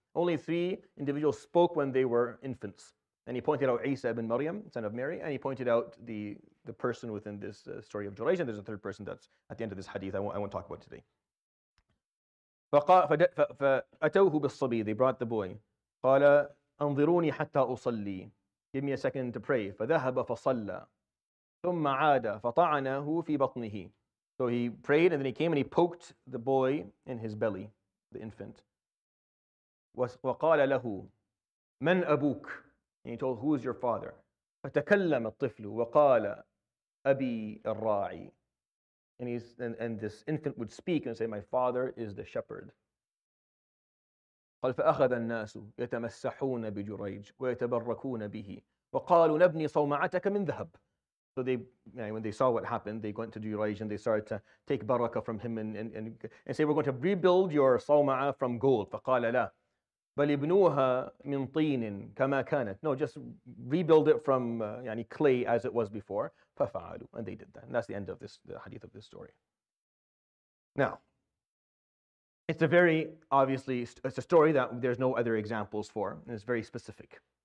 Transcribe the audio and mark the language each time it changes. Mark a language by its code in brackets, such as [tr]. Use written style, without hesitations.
[en] Only three individuals spoke when they were infants. And he pointed out Isa ibn Maryam, son of Mary, and he pointed out the person within this story of Jurayj. There's a third person that's at the end of this hadith I won't talk about today. [ar] فأتوه بالصبي, [en] they brought the boy. [ar] قال أنظروني حتى أصلي, [en] give me a second to pray. [ar] فذهب فصلى ثم عاد فطعنه في بطنه. [en] So he prayed and then he came and he poked the boy in his belly, the infant. [ar] وقال له من أبوك, [en] and he told, who is your father? [ar] فتكلم الطفل وقال أبي الراعي. [en] And this infant would speak and say, my father is the shepherd. [ar] قال فأخذ الناس يتمسحون بجريج ويتبركون به وقالوا نبني صومعتك من ذهب. [en] So they, you know, when they saw what happened, they went to Jurayj and they started to take barakah from him and say, we're going to rebuild your sawma'a from gold. [ar] فقال لا بل ابنوها من طين كما كانت. [en] No, just rebuild it from [ar] يعني [en] clay as it was before. [ar] ففعلوا, [en] and they did that. And that's the end of this, the hadith of this story. Now, it's a very, obviously, it's a story that there's no other examples for, and it's very specific.